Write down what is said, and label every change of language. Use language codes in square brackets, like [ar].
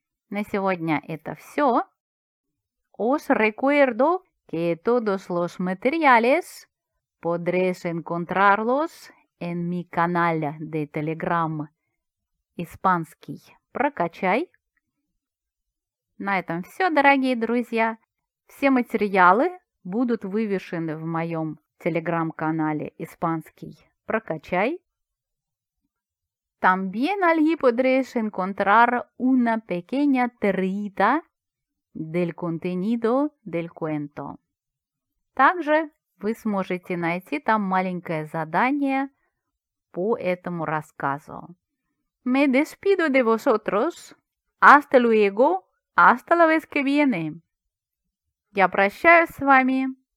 [ru] На сегодня это все. [es] Os recuerdo que todos los materiales podréis encontrarlos en mi canal de Telegram «Испанский прокачай». [ru] На этом все, дорогие друзья. Все материалы будут вывешены в моем телеграм-канале «Испанский прокачай». [es] También allí podréis encontrar una pequeña tirita del contenido del cuento. [ru] Также вы сможете найти там маленькое задание по этому рассказу. [es] Me despido de vosotros. Hasta luego. Hasta la vez que viene. [ru] Я прощаюсь с вами.